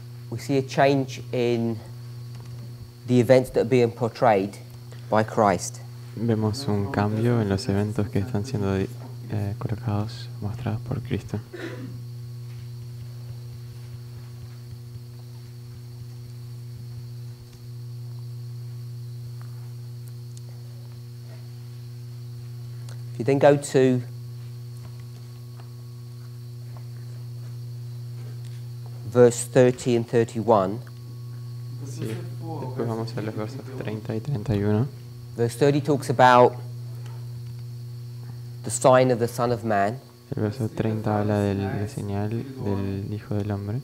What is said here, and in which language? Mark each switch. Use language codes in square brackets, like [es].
[en] We see a change in the events that are being portrayed by Christ. [es] Vemos un cambio en los eventos que están siendo colocados, mostrados por Cristo. [en] If you then go to Verse 30 and 31. [es] Sí. Después vamos a los versos 30 y 31. [en] Verse 30 talks about the sign of the Son of Man. [es] El verso 30 habla de la señal del Hijo del Hombre.